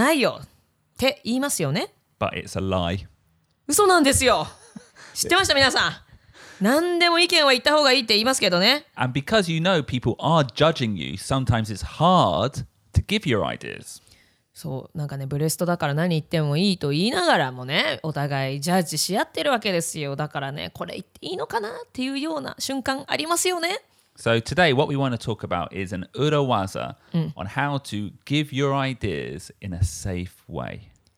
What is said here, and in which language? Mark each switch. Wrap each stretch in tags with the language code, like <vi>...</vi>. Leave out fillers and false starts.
<ja>バッドなアイデアなんかないよって言いますよね?</ja> <en>But it's a lie.</en> <ja>嘘なんですよ。知ってました、皆さん。何でも意見は言った方がいいって言いますけどね</ja> <en>And because you know people are judging you Sometimes it's hard to give your ideas</en> <ja>そう、なんかねブレストだから何言ってもいいと言いながらもねお互いジャッジし合ってるわけですよだからねこれ言っていいのかなっていうような瞬間ありますよね</ja> <en>So today what we want to talk about is an urawaza On how to give your ideas in a safe way</en>